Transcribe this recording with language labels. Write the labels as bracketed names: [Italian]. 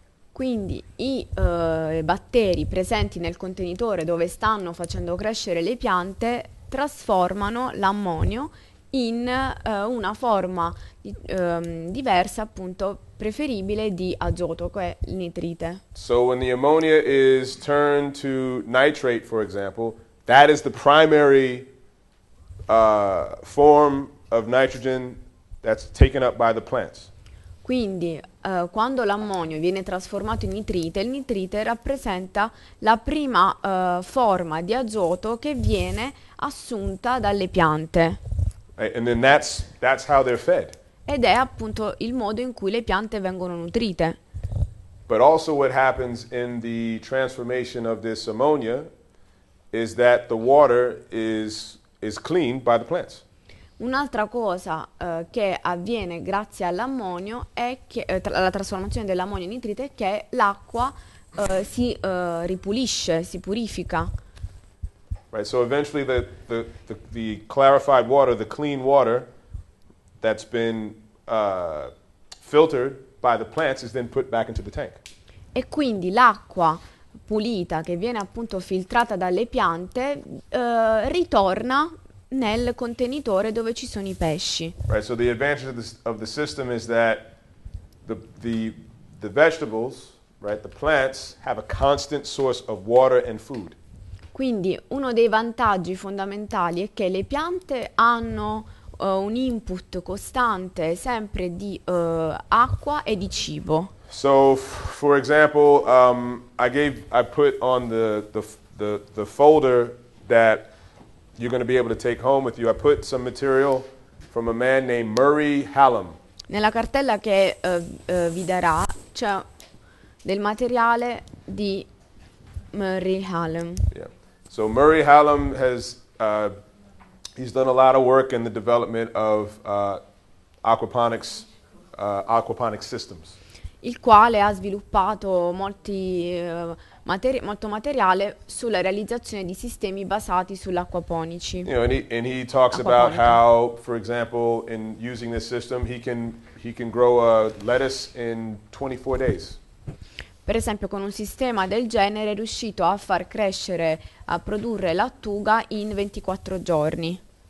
[Italian] Quindi i batteri presenti nel contenitore dove stanno facendo crescere le piante trasformano l'ammonio in una forma diversa, appunto preferibile di azoto, che è il nitrite. [English] So when the ammonia is turned to nitrate, for example, that is the primary form of nitrogen that's taken up by the plants. [Italian] Quindi, quando l'ammonio viene trasformato in nitrite, il nitrite rappresenta la prima forma di azoto che viene assunta dalle piante. [English] And then that's how they're fed. [Italian] Ed è appunto il modo in cui le piante vengono nutrite. [English] But also what happens in the transformation of this ammonia is that the water is cleaned by the plants. [Italian] Un'altra cosa che avviene grazie all'ammonio è che la trasformazione dell'ammonio in nitrite è che l'acqua si ripulisce, si purifica. [English] Right, so eventually the clarified water, the clean water that's been filtered by the plants is then put back into the tank. [Italian] E quindi l'acqua pulita che viene appunto filtrata dalle piante ritorna nel contenitore dove ci sono i pesci. [English] Right, so the advantage of the system is that the vegetables, right, the plants have a constant source of water and food. [Italian] Quindi uno dei vantaggi fondamentali è che le piante hanno un input costante sempre di acqua e di cibo. [English] So for example, I put on the folder that you're going to be able to take home with you. I put some material from a man named Murray Hallam. [Italian] Nella cartella che vi darà c'è del materiale di Murray Hallam. [English] Yeah. So Murray Hallam he's done a lot of work in the development of aquaponic systems. [Italian] Il quale ha sviluppato molto materiale sulla realizzazione di sistemi basati sull'acquaponici. [English] You know, and he talks acquaponica. About how, for example, in using this system, he can grow a lettuce in 24 days. [Italian] Per esempio, con un sistema del genere è riuscito a far crescere, a produrre lattuga in 24 giorni.